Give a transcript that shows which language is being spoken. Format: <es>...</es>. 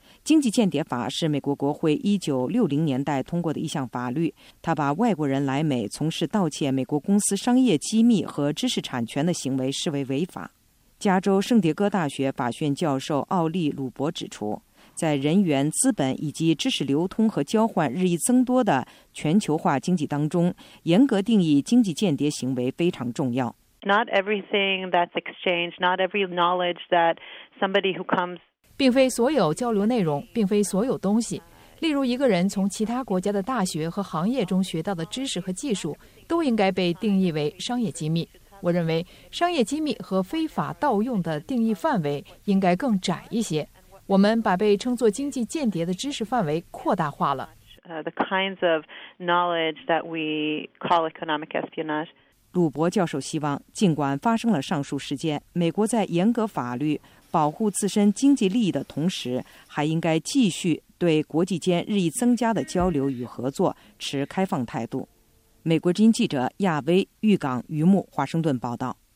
<zh>经济间谍法是美国国会1960年代通过的一项法律，它把外国人来美从事盗窃美国公司商业机密和知识产权的行为视为违法。加州圣迭戈大学法学院教授奥利·鲁伯指出，在人员、资本以及知识流通和交换日益增多的全球化经济当中，严格定义经济间谍行为非常重要。</zh> <en>Not everything that's exchanged, not every knowledge that somebody who comes.</en> <zh>并非所有交流内容，并非所有东西。例如，一个人从其他国家的大学和行业中学到的知识和技术，都应该被定义为商业机密。我认为，商业机密和非法盗用的定义范围应该更窄一些。我们把被称作经济间谍的知识范围扩大化了。</zh> <en>The kinds of knowledge that we call economic espionage.</en> <zh>鲁伯教授希望，尽管发生了上述事件，美国在严格法律保护自身经济利益的同时，还应该继续对国际间日益增加的交流与合作持开放态度。美国之音记者亚威、玉港、于木，华盛顿报道。</zh>